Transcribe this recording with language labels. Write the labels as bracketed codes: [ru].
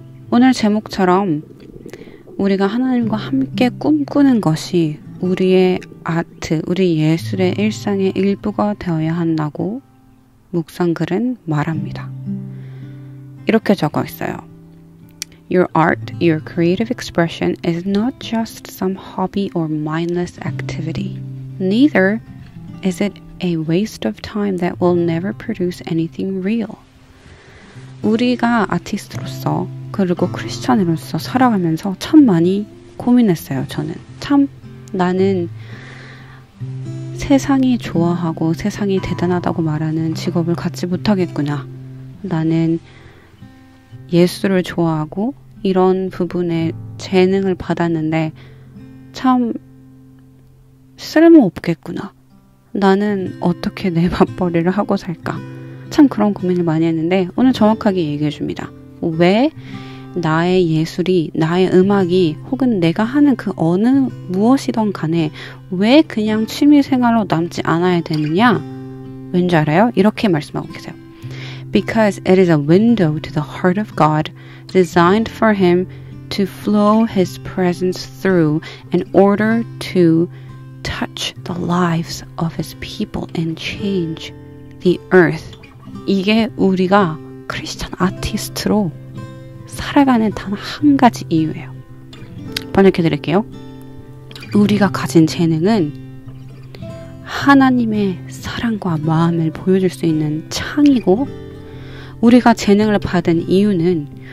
[ko] 오늘 제목처럼 우리가 하나님과 함께 꿈꾸는 것이 우리의 아트, 우리 예술의 일상의 일부가 되어야 한다고 묵상글은 말합니다. 이렇게 적어 있어요. [en] Your art, your creative expression is not just some hobby or mindless activity. Neither is it a waste of time that will never produce anything real. [ko] 우리가 아티스트로서 그리고 크리스천으로서 살아가면서 참 많이 고민했어요. 저는 참 나는 세상이 좋아하고 세상이 대단하다고 말하는 직업을 갖지 못하겠구나. 나는 예술을 좋아하고 이런 부분에 재능을 받았는데 참 쓸모없겠구나. 나는 어떻게 내 밥벌이를 하고 살까? 참 그런 고민을 많이 했는데 오늘 정확하게 얘기해 줍니다. 왜 나의 예술이, 나의 음악이 혹은 내가 하는 그 어느 무엇이든 간에 왜 그냥 취미생활로 남지 않아야 되느냐? 왠지 알아요? 이렇게 말씀하고 계세요. [en] Because it is a window to the heart of God designed for him to flow his presence through in order to touch the lives of his people and change the earth. [ko] 이게 우리가 크리스천 아티스트로 살아가는 단 한 가지 이유예요. 번역해 드릴게요. 우리가 가진 재능은 하나님의 사랑과 마음을 보여줄 수 있는 창이고 우리가 재능을 받은 이유는